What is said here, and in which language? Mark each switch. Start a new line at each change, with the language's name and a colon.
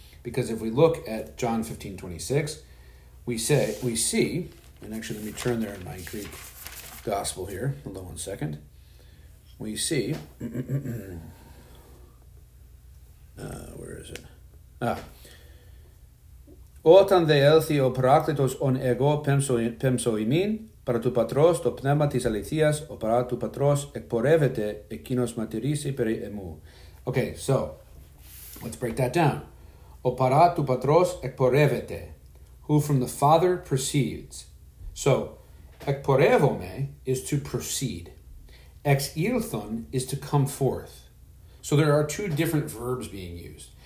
English: Because if we look at John 15:26, we see, and actually let me turn there in my Greek gospel here, hold on 1 second, we see, where is it?
Greek: Όταν δε έλθει ο παράκλητος ον εγώ πέμψω ημίν, παρά του πατρός το πνεύμα της αληθείας, ο παρά του πατρός εκπορεύεται εκείνος μαρτυρήσει περί εμού.
English: Okay, so, let's break that down. Ο παρά του πατρός εκπορεύεται, who from the Father proceeds. So, εκπορεύομαι is to proceed. Ex ήλθον is to come forth. So there are two different verbs being used.